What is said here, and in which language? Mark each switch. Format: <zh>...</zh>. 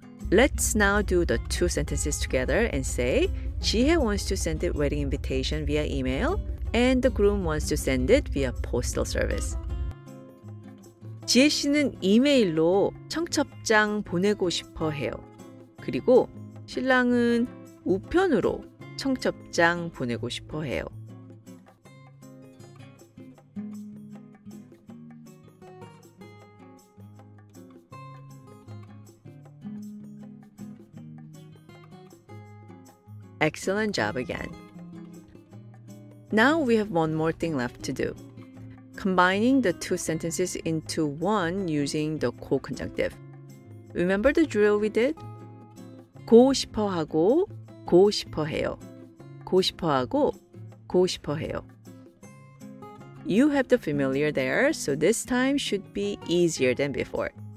<en>Let's now do the two sentences together and say, Jihae wants to send a wedding invitation via email, and the groom wants to send it via postal service.</en> <ko>지혜 씨는 이메일로 청첩장 보내고 싶어 해요. 그리고 신랑은 우편으로 청첩장 보내고 싶어 해요.</ko> <en>Excellent job again. Now we have one more thing left to do. Combining the two sentences into one using the 고 conjunctive. Remember the drill we did?</en> <ko>고 싶어 하고 고 싶어 해요. 고 싶어 하고 고 싶어 해요.</ko> <en>You have the familiar there, so this time should be easier than before.</en>